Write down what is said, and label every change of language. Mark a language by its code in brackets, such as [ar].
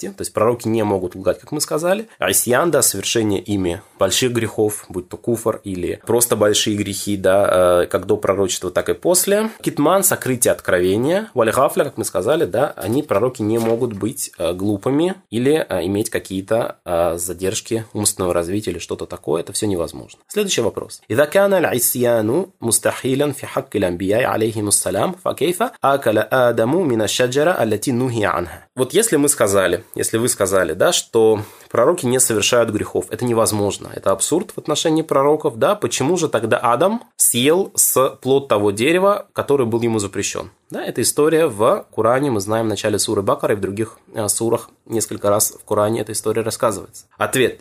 [ru] То есть пророки не могут лгать, как мы сказали. Исьян, да, совершение ими больших грехов, будь то куфр или просто большие грехи, да, как до пророчества, так и после. Китман, сокрытие откровения. Валь-гафля, как мы сказали, да, они, пророки, не могут быть глупыми или иметь какие-то задержки умственного развития или что-то такое. Это все невозможно. Следующий вопрос. [ar] إذا كان العصيان مستحيلا في حق الأنبياء عليهم السلام فكيف أكل آدم من الشجرة التي نهي عنها? [ru] Вот если мы сказали, если вы сказали, да, что пророки не совершают грехов, это невозможно, это абсурд в отношении пророков, да, почему же тогда Адам съел с плод того дерева, который был ему запрещен? Да, эта история в Коране, мы знаем в начале суры Бакара и в других сурах несколько раз в Коране эта история рассказывается. Ответ.